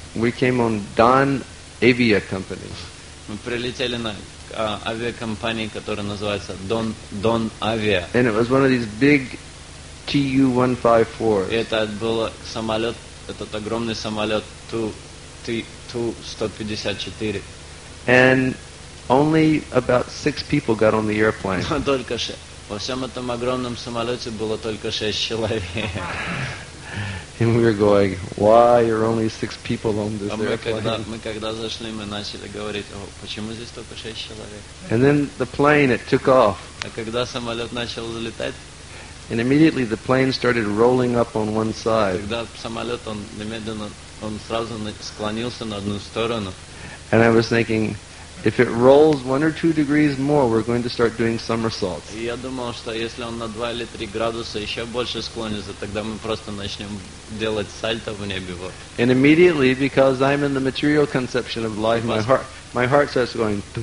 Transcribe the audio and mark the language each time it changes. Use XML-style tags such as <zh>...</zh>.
<en>We came on Don Avia Company.</en> <ru>Мы прилетели на авиакомпании, которая называется Don Avia.</ru> <en>And it was one of these big TU-154.</en> <ru>Это был самолет, этот огромный самолет TU-154.</ru> <en>And only about 6 people got on the airplane.</en> <ru>Только 6. Во всем этом огромном самолете было только 6 человек.</ru> <en>And we were going, why are only 6 people on this airplane?</en> <ru>Мы когда зашли, мы начали говорить, почему здесь только 6 человек?</ru> <en>And then the plane, it took off.</en> <ru>А когда самолет начал взлетать?</ru> <en>And immediately the plane started rolling up on one side.</en> <ru>Когда самолет, он сразу склонился на одну сторону.</ru> <en>And I was thinking, if it rolls 1 or 2 degrees more, we're going to start doing somersaults.</en> <ru>Я думал, что если он на 2 или 3 градуса еще больше склонится, тогда мы просто начнем делать сальто в небе.</ru> <en>And immediately, because I'm in the material conception of life, my heart starts going.</en>